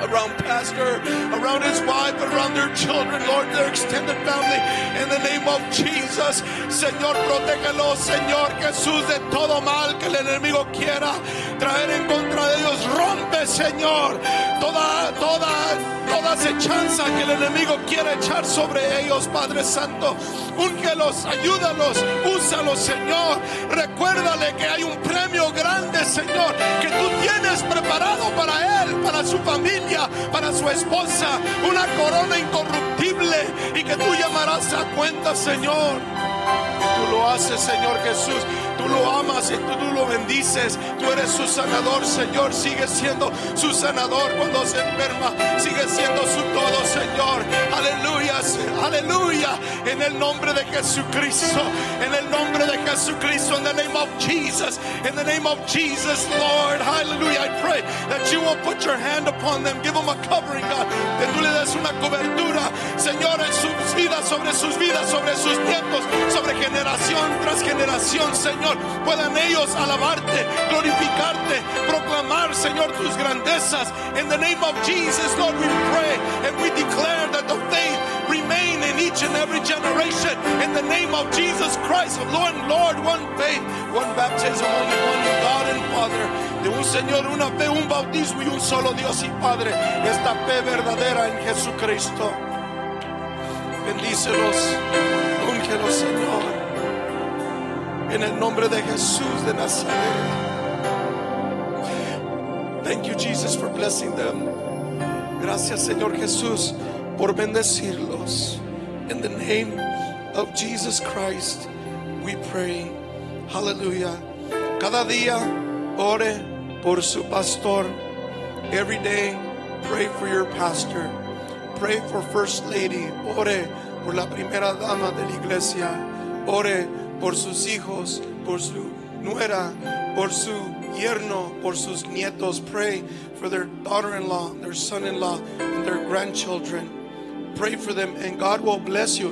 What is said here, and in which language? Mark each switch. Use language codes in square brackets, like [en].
[en] around Pastor, around his wife, around their children, Lord, their extended family, in the name of Jesus. [es] Señor, protégelo, Señor Jesús, de todo mal que el enemigo quiera traer en contra de ellos. Rompe, Señor, toda acechanza que el enemigo quiera echar sobre ellos, Padre Santo. Úngelos, ayúdalos, úsalos, Señor. Recuérdale que hay un premio grande, Señor, que tú tienes preparado para él, para su familia, para su esposa, una corona incorruptible, y que tú llamarás a cuenta, Señor. Tú lo haces, Señor Jesús. Tú lo amas y tú lo bendices. Tú eres su sanador, Señor. Sigue siendo su sanador cuando se enferma. Sigue siendo su todo, Señor. Aleluya, aleluya. En el nombre de Jesucristo. En el nombre de Jesucristo. [en] In the name of Jesus. In the name of Jesus, Lord. Hallelujah. I pray that you will put your hand upon them. Give them a covering, God. [es] Que tú le des una cobertura, Señor, en sus vidas, sobre sus vidas, sobre sus nietos, sobre generación tras generación, Señor. Puedan ellos alabarte, glorificarte, proclamar, Señor, tus grandezas. [en] In the name of Jesus, Lord, we pray and we declare that the faith remain in each and every generation. In the name of Jesus Christ, Lord, one faith, one baptism, only one God and Father. [es] De un Señor, una fe, un bautismo y un solo Dios y Padre. Esta fe verdadera en Jesucristo. Bendícelos, úngelos, Señor. [en] In the name of Jesus de Nazaret. Thank you, Jesus, for blessing them. [es] Gracias, Señor Jesús, por bendecirlos. [en] In the name of Jesus Christ, we pray. [es] Hallelujah. Cada día, ore por su pastor. [en] Every day, pray for your pastor. Pray for First Lady. [es] Ore por la primera dama de la iglesia. Ore por sus hijos, por su nuera, por su yerno, por sus nietos. [en] Pray for their daughter-in-law, their son-in-law, and their grandchildren. Pray for them and God will bless you.